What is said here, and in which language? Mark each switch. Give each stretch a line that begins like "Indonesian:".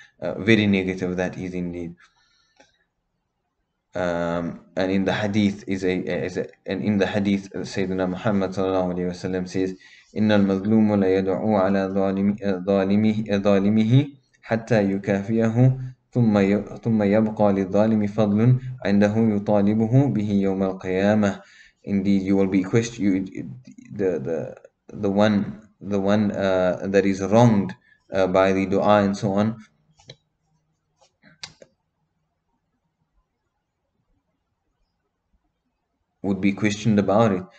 English: Very negative that is indeed. And in the hadith Sayyidina Muhammad sallallahu alayhi wa sallam says,
Arabic: إِنَّ الْمَظْلُومُ لَيَدْعُو عَلَى ظَالِمِهِ حَتَّى يُكَافِيَهُ ثُمَّ يَبْقَى لِلظَّالِمِ فَضْلٌ عِنْدَهُ يُطَالِبُهُ بِهِ يَوْمَ الْقِيَامَةِ.
English: Indeed, you will be questioned. The one that is wronged by the dua and so on, would be questioned about it.